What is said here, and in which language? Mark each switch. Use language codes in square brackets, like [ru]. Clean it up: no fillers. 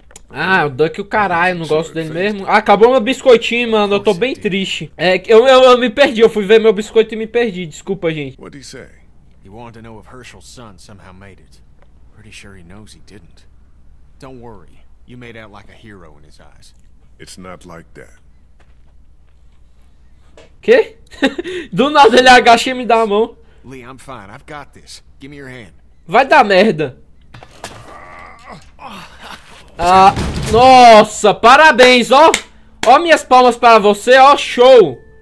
[pt] Ah, o Duck o caralho, não gosto dele mesmo. Ah, acabou meu biscoitinho, mano. Eu tô bem triste. É que eu me perdi. Eu fui ver meu biscoito e me perdi. Desculpa, gente. [en] What did he say? He wanted to know if Herschel's son somehow made it. Pretty sure he knows he didn't. Don't worry. You made out like a hero in his eyes. It's not like that. [pt] Que? Do nada ele agacha e me dá a mão. [en] Lee, I'm fine. I've got this. Give me your hand. [pt] Vai dar merda. Ah, nossa, parabéns, ó. Ó minhas palmas para você, ó, show.